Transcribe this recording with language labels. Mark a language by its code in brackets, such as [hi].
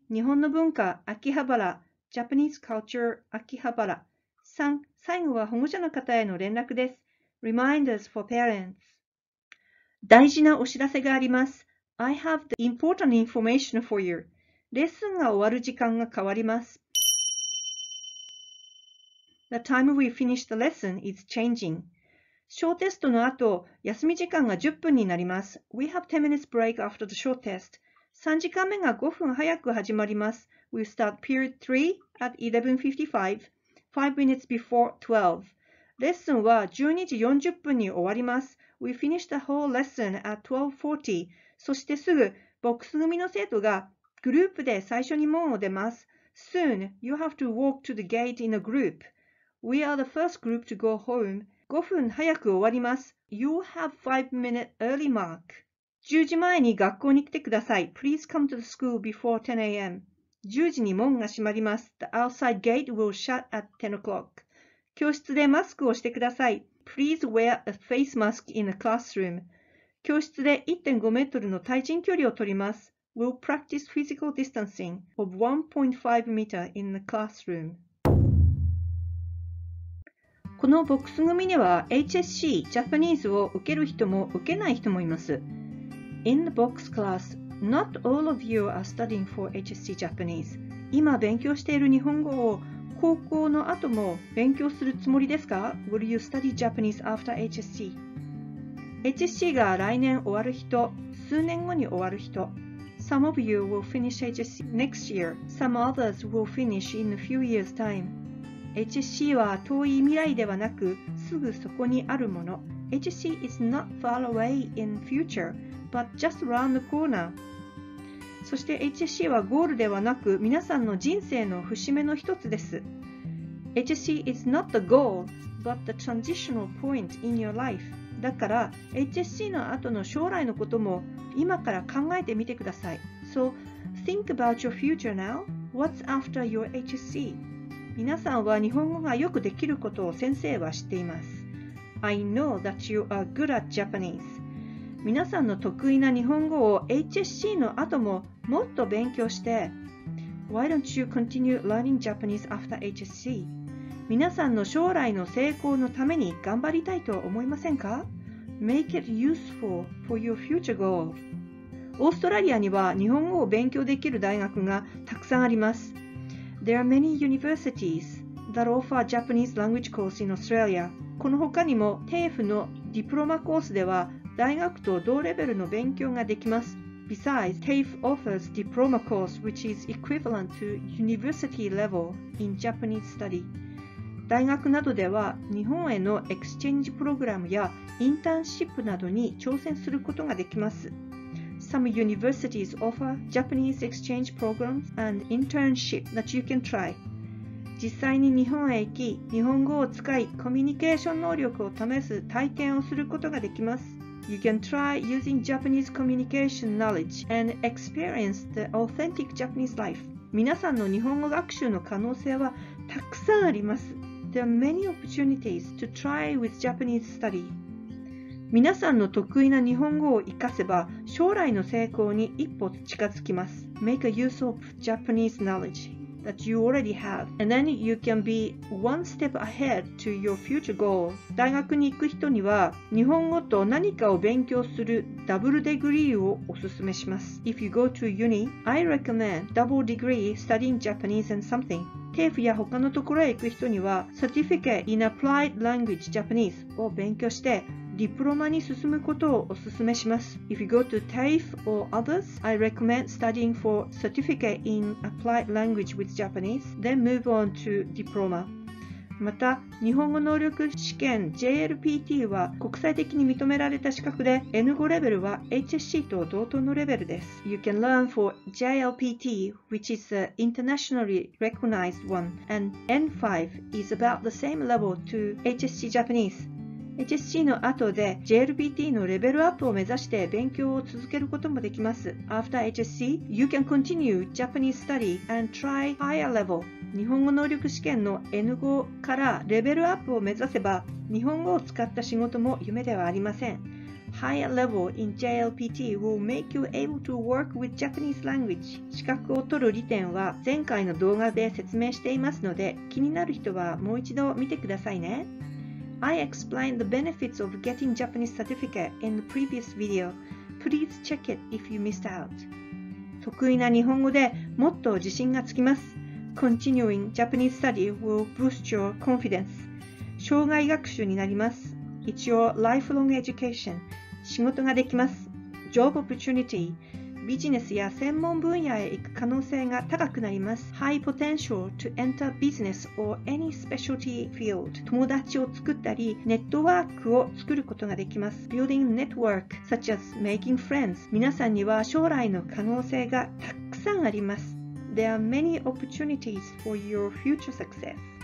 [ja] 日本の文化秋葉原 [en] Japanese culture [ja] 秋葉原。3. 最後は保護者の方への連絡です。 [en] Reminders for parents. [ja] 大事なお知らせがあります。 [en] I have the important information for you. [ja] レッスンが終わる時間が変わります。 [en] The time we finish the lesson is changing. [ja] 小テストの後、休み時間が10分になります。 [en] We have 10 minutes break after the short test. [ja] 3時間目が5分早く始まります。 [en] We start period 3 at 11:55, 5 minutes before 12. [ja] レッスンは12時40分に終わります。 [en] We finish the whole lesson at 12:40. [ja] そしてすぐ、ボックス組の生徒がグループで最初に門を出ます。 [en] Soon, you have to walk to the gate in a group. We are the first group to go home. [ja] 5分早く終わります。 [en] You have 5 minute early mark. [ja] 10時前に学校に来てください。 [en] Please come to the school before 10 a.m. [ja] 10時に門が閉まります。 [en] The outside gate will shut at 10 o'clock. [ja] 教室でマスクをしてください。 [en] Please wear a face mask in the classroom. [ja] 教室で 1.5 メートルの対人距離を取ります。 [en] We'll practice physical distancing of 1.5 meter in the classroom. [ja] このボックス組には HSC Japanese を受ける人も受けない人もいます。 [en] In the box class, not all of you are studying for HSC Japanese. [ja] 今勉強している日本語を高校の後も勉強するつもりですか? [en] Will you study Japanese after HSC? [ja] HSC が来年終わる人、数年後に終わる人。 [en] Some of you will finish HSC next year. Some others will finish in a few years' time. [ja] HSC は遠い未来ではなく、すぐそこにあるもの。 [en] HSC is not far away in future, but just around the corner. [ja] そして HSC はゴールではなく、皆さんの人生の節目の一つです。 [en] HSC is not the goal, but the transitional point in your life. [ja] だから、HSC の後の将来のことも今から考えてみてください。 [en] So, think about your future now. What's after your HSC? [ja] 皆さんは日本語がよくできることを先生は知っています。 [en] I know that you are good at Japanese. [ja] 皆さんの得意な日本語を HSC の後ももっと勉強して、 [en] Why don't you continue learning Japanese after HSC? [ja] 皆さんの将来の成功のために頑張りたいと思いませんか? [en] Make it useful for your future goal. [ja] オーストラリアには日本語を勉強できる大学がたくさんあります。 [en] There are many universities that offer Japanese language course in Australia. [ja] この他にも TAFE のディプロマコースでは大学と同レベルの勉強ができます。 [en] Besides, TAFE offers diploma course which is equivalent to university level in Japanese study. [ja] 大学などでは日本へのエクスチェンジプログラムやインターンシップなどに挑戦することができます。 [en] Some universities offer Japanese exchange programs and internship that you can try. [ja] 実際に日本へ行き、日本語を使いコミュニケーション能力を試す体験をすることができます。 [en] You can try using Japanese communication knowledge and experience the authentic Japanese life. [ja] 皆さんの日本語学習の可能性はたくさんあります。 [en] There are many opportunities to try with Japanese study. [ja] 皆さんの得意な日本語を活かせば将来の成功に一歩近づきます。 [en] Make a use of Japanese knowledge that you already have, and then you can be one step ahead to your future goal. [ja] 大学に行く人には日本語と何かを勉強するダブルデグリーをおすすめします。 [en] If you go to uni, I recommend double degree studying Japanese and something. [ja] TAFE や他のところへ行く人には Certificate in Applied Language Japanese を勉強してディプロマに進むことをお勧めします。 [en] If you go to TAFE or others, I recommend studying for Certificate in Applied Language with Japanese, then move on to Diploma. [ja] また、日本語能力試験 JLPT は国際的に認められた資格で N5 レベルは HSC と同等のレベルです。 [en] You can learn for JLPT, which is an internationally recognized one, and N5 is about the same level to HSC Japanese. [ja] HSC の後で JLPT のレベルアップを目指して勉強を続けることもできます。 [en] After HSC, you can continue Japanese study and try higher level. [ja] 日本語能力試験の N5 からレベルアップを目指せば、日本語を使った仕事も夢ではありません。 [en] Higher level in JLPT will make you able to work with Japanese language. [ja] 資格を取る利点は前回の動画で説明していますので、気になる人はもう一度見てくださいね。 [en] I explained the benefits of getting Japanese certificate in the previous video. Please check it if you missed out. [ja] 得意な日本語でもっと自信がつきます。 [en] Continuing Japanese study will boost your confidence. [ja] 生涯学習になります。 [en] It's your lifelong education. [ja] 仕事ができます。 [en] Job opportunity. [ja] ビジネスや専門分野へ行く可能性が高くなります。 [en] High potential to enter business or any specialty field. [ja] 友達を作ったり、ネットワークを作ることができます。 [en] Building network, such as making friends. [ja] 皆さんには将来の可能性がたくさんあります。 [en] There are many opportunities for your future success.